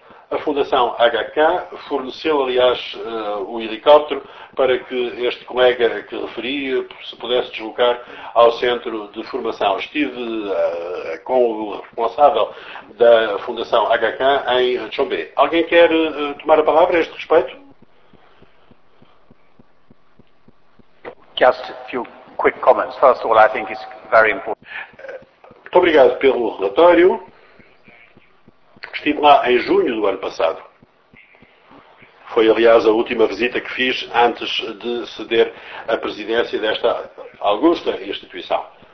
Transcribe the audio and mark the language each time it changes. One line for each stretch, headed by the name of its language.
Portuguese: A Fundação HK forneceu, aliás, o helicóptero para que este colega que referi se pudesse deslocar ao centro de formação. Estive com o responsável da Fundação HK em Chombé. Alguém quer tomar a palavra a este respeito?
English: Just a few quick comments. First of all, I think it's very important.
Portuguese: Muito obrigado pelo relatório. Estive lá em junho do ano passado. Foi, aliás, a última visita que fiz antes de ceder a presidência desta augusta instituição.